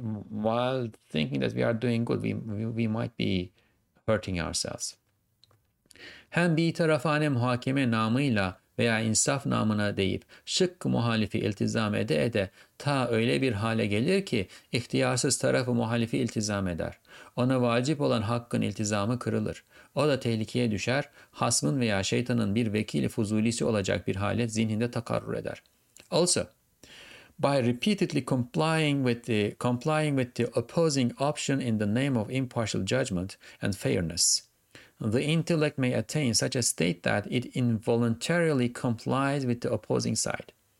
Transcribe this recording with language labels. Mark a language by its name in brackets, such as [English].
[English] While thinking that we are doing good, we might be hurting ourselves. [Turkish] Hem bir tarafane muhakeme namıyla veya insaf namına deyip şık muhalifi iltizam ede ede ta öyle bir hale gelir ki ihtiyarsız tarafı muhalifi iltizam eder. Ona vacip olan hakkın iltizamı kırılır. O da tehlikeye düşer, hasmın veya şeytanın bir vekili fuzulisi olacak bir hale zihninde takarrur eder. [English] Also, by repeatedly complying with the opposing option in the name of impartial judgment and fairness, the intellect may attain such a state that it involuntarily complies with the opposing side.